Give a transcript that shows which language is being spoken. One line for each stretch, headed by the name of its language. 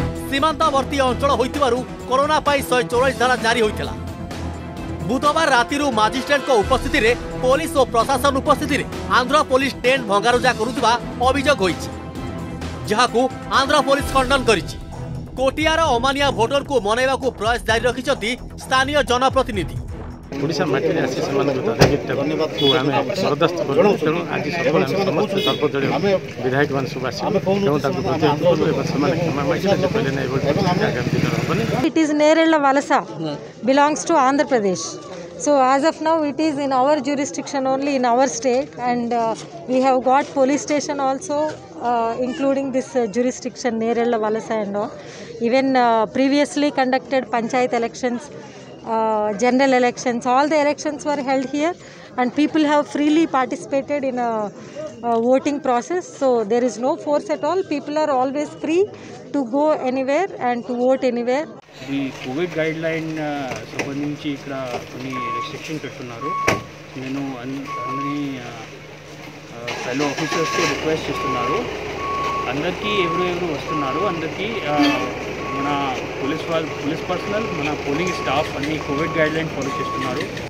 Odia: ସୀମାନ୍ତବର୍ତ୍ତୀ ଅଞ୍ଚଳ ହୋଇଥିବାରୁ କରୋନା ପାଇଁ 144 ଧାରା ଜାରି ହୋଇଥିଲା ବୁଧବାର ରାତିରୁ ମାଜିଷ୍ଟ୍ରେଟଙ୍କ ଉପସ୍ଥିତିରେ ପୋଲିସ ଓ ପ୍ରଶାସନ ଉପସ୍ଥିତିରେ ଆନ୍ଧ୍ର ପୋଲିସ ଟେଣ୍ଟ ଭଙ୍ଗାରୁଜା କରୁଥିବା ଅଭିଯୋଗ ହୋଇଛି ଯାହାକୁ ଆନ୍ଧ୍ର ପୋଲିସ ଖଣ୍ଡନ କରିଛି କୋଟିଆର ଅମାନିଆ ଭୋଟରଙ୍କୁ ମନେଇବାକୁ ପ୍ରୟାସ ଜାରି ରଖିଛନ୍ତି ସ୍ଥାନୀୟ ଜନପ୍ରତିନିଧି ଓଡ଼ିଶା ମାଟିରେ ଆସି ସେମାନଙ୍କୁ ଧରିକିକୁ ଆମେ ବରଦାସ୍ତ କରୁ ତେଣୁ ଆଜି ସକାଳେ ଆମେ ସମସ୍ତ ସର୍ବଦଳୀୟ ବିଧାୟକମାନେ ସବୁ ଆସିବୁ ତେଣୁ ତାଙ୍କୁ ସେମାନେ କ୍ଷମା ମାଗିଲେ କହିଲେ ନାହିଁ ଏଭଳି ଆଗାମୀ ଦିନରେ ହେବନି
English: It is ନେରେଳ balsa belongs two Andhra Pradesh So as of now, it is in our jurisdiction only in our state and we have got police station also including this jurisdiction Nerella Valasa and all. Even previously conducted panchayat elections, general elections, all the elections were held here and people have freely participated in a voting process. So there is no force at all. People are always free to go anywhere and to vote anywhere.
Telugu: ఈ Covid guideline సంబంధించి ఇక్కడ కొన్ని restrictions పెట్టున్నారు నేను అన్ని fellow ఆఫీసర్స్కి request చేస్తున్నారు అందరికీ ఎవరు ఎవరు వస్తున్నారు అందరికీ మన పోలీస్ పోలీస్ పర్సనల్ మన పోలింగ్ స్టాఫ్ అన్ని కోవిడ్ గైడ్లైన్ ఫాలో చేస్తున్నారు